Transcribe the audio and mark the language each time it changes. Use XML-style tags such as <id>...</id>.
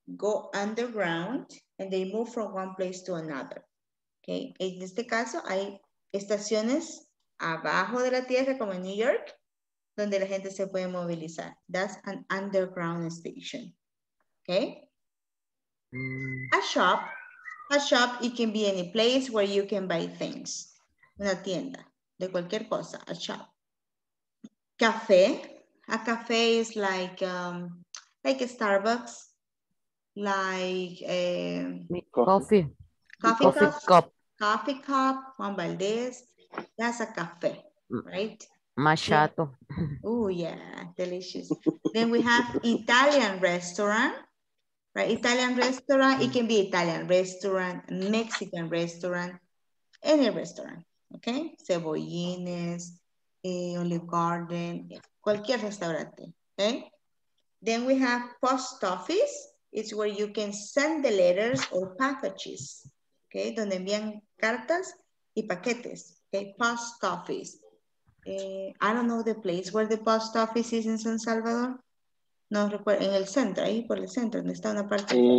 <en>go underground and they move from one place to another. Okay.</en> <es>En este caso, hay estaciones abajo de la tierra, como en New York, donde la gente se puede movilizar.</es> <en>That's an underground station. Okay. A shop, it can be any place where you can buy things.</en> <es>Una tienda, de cualquier cosa,</es> <en>a shop. Café, a café is like a Starbucks, like a coffee cup, Juan Valdez, that's a café, right? Machato. Yeah. Oh yeah, delicious. Then we have Italian restaurant. Right, Italian restaurant, it can be Italian restaurant, Mexican restaurant, any restaurant, okay?</en> <es>Cebollines, Olive Garden, cualquier restaurante, okay?</es> <en>Then we have post office, it's where you can send the letters or packages, okay?</en> <es>Donde envían cartas y paquetes, okay?</es> <en>Post office. I don't know the place where the post office is in San Salvador.</en> <es>No recuerdo, en el centro, ahí por el centro, donde está una parte.</es>